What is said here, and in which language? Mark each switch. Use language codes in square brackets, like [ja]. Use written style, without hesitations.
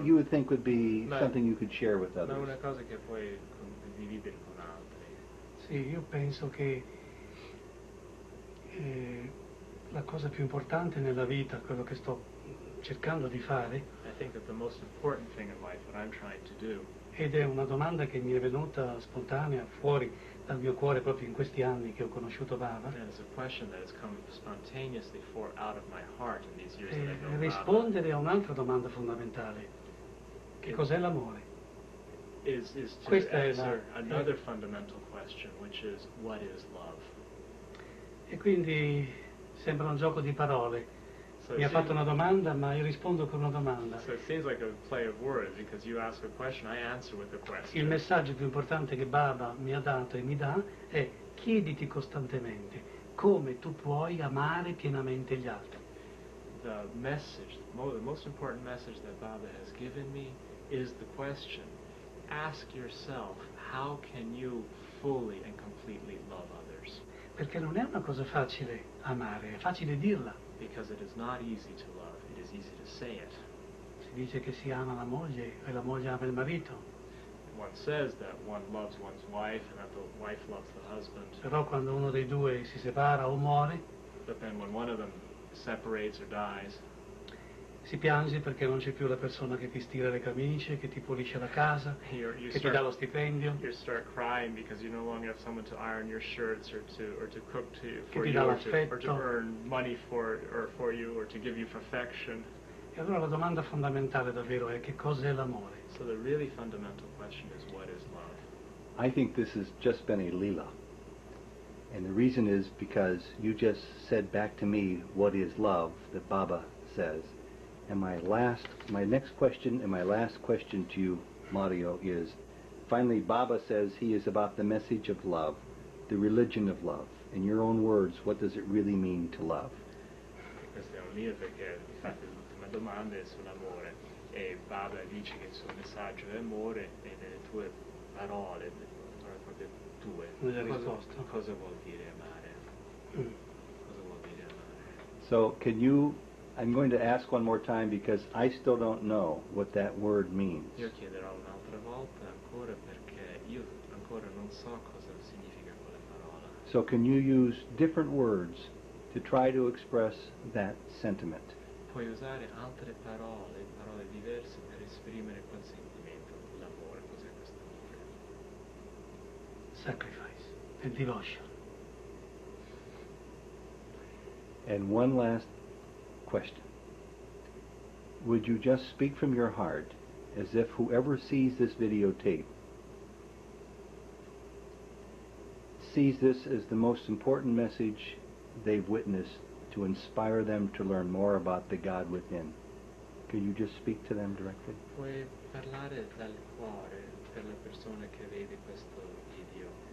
[en] That you would think would be something you could share with others. [it] Ma una cosa che puoi condividere con altri. Sì, io penso che la cosa più importante nella vita, quello che sto cercando di fare. [en] I think that the most important thing in life, what I'm trying to do. [it] Ed è una domanda che mi è venuta spontanea fuori dal mio cuore proprio in questi anni che ho conosciuto Baba. [en] And it's a question that has come spontaneously for out of my heart in these years that I know [it] Baba. Rispondere a un'altra domanda fondamentale. Che cos'è l'amore? [en] Is to [it] Questa [en] answer [it] è la, [en] another [it] è, [en] fundamental question, which is, what is love? [it] E quindi sembra un gioco di parole. [en] So [it] mi ha fatto una domanda, ma io rispondo con una domanda. [en] So it seems like a play of words, because you ask a question, I answer with a question. [it] Il messaggio più importante che Baba mi ha dato e mi dà è chiediti costantemente come tu puoi amare pienamente gli altri. [en] The message, the most important message that Baba has given me is the question, ask yourself, how can you fully and completely love others? [it] Perché non è una cosa facile amare, è facile dirla. [en] Because it is not easy to love, it is easy to say it. [it] Si dice che si ama la moglie e la moglie ama il marito. [en] One says that one loves one's wife and that the wife loves the husband. [it] Però quando uno dei due si separa o muore, [en] but then when one of them separates or dies, [it] si piange perché non c'è più la persona che ti stira le camicie, che ti pulisce la casa, che ti dà lo stipendio. [en] You start crying because you no longer have someone to iron your shirts or to cook to you, for [it] che ti dà l'affetto, [en] or to earn money for you or to give you affection. [it] allora la domanda fondamentale davvero è che cos'è l'amore? [en] So the really fundamental question is what is love? I think this has just been a lila. And the reason is because you just said back to me what is love that Baba says. And my last question to you, Mario, is finally Baba says he is about the message of love, the religion of love. In your own words, what does it really mean to love? [it] Questa è un lì perché infatti l'ultima domanda è sull'amore e Baba dice che il suo messaggio è amore e nelle tue parole, proprio tue, cosa vuol dire amare? Cosa vuol dire amare? [en] So can you, I'm going to ask one more time because I still don't know what that word means. [it] Io chiederò un'altra volta ancora perché io ancora non so cosa significa quella parola. [en] So can you use different words to try to express that sentiment? [it] Puoi usare altre parole, parole diverse per esprimere quel sentimento, l'amore, cos'è questo amore? [en] Sacrifice, and devotion. And one last question. Would you just speak from your heart as if whoever sees this videotape sees this as the most important message they've witnessed to inspire them to learn more about the God within? Could you just speak to them directly? [it] Puoi parlare dal cuore per la persona che vede questo video.